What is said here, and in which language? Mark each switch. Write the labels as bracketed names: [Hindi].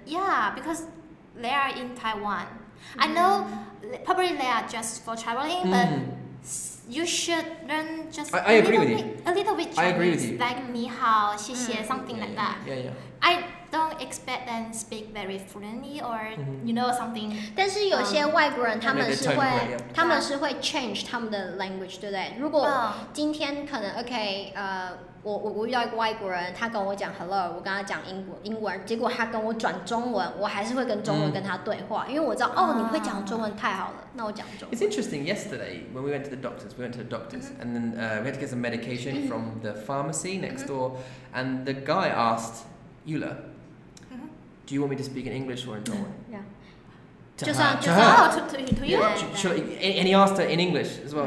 [English] Yeah, because they are in Taiwan. I know, probably they are just for traveling,、 mm. but you should learn just I agree with you. A little bit Chinese. I agree with you. Like, [Chinese] 你好，谢谢 [English] something yeah, like yeah. that. Yeah, yeah. I don't expect them speak very fluently or,、 mm-hmm. you know, something. [Chinese] 但是有些外国人、他们是会、 [English] yeah. [Chinese] 他们是会 change 他们的 language, 对不对？如果今天可能 OK, 我遇到一个外国人，他跟我讲 hello, 我跟他讲英文，结果他跟我转中文，我还是会跟中文跟他对话，嗯、因为我知道哦，你会讲中文太好了，那我讲中文。 [English] It's interesting. Yesterday, when we went to the doctors, mm-hmm. and then we had to get some medication、 mm-hmm. from the pharmacy next door,、 mm-hmm. and the guy asked Yula,、 mm-hmm. do you want me to speak in English or in Taiwan? To her. And he asked her in English as well.、